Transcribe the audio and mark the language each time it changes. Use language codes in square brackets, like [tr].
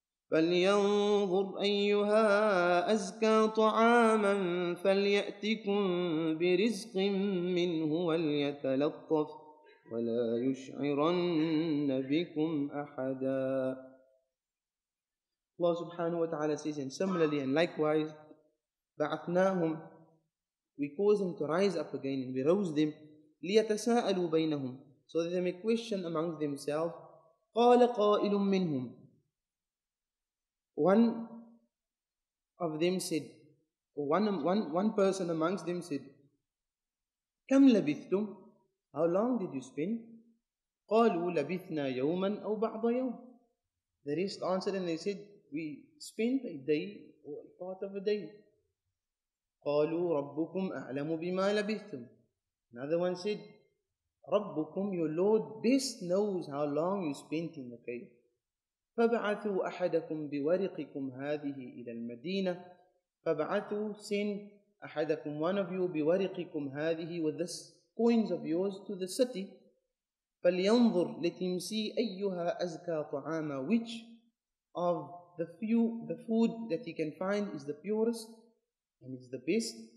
[ar] فلينظر أيها أزكى طعاما فليأتكم برزق منه وليتلطف ولا يشعرن بكم أحدا. [en] Allah subhanahu wa ta'ala says, and similarly and likewise, [ar] بعثناهم, [en] we caused them to rise up again and we rose them, [ar] ليتساءلوا بينهم, [en] so that they may question among themselves. [ar] قال قائل منهم, [en] one of them said, or one person amongst them said, [ar] كم لبثتم, [en] how long did you spend? [ar] قالوا لبثنا يوما أو بعض يوم. [en] The rest answered and they said, we spent a day or a part of a day. [ar] قالوا ربكم أعلم بما لبثتم. [en] Another one said, [ar] ربكم, [en] your Lord best knows how long you spent in the cave. [ar] فبعثوا أحدكم بورقكم هذه إلى المدينة. فبعثوا, [en] send [ar] أحدكم, [en] one of you, [ar] بورقكم هذه, [en] with this coins of yours, to the city. [ar] فلينظر, [en] let him see, [ar] أيها أزكى طعاما, [en] which of the food that he can find is the purest and is the best.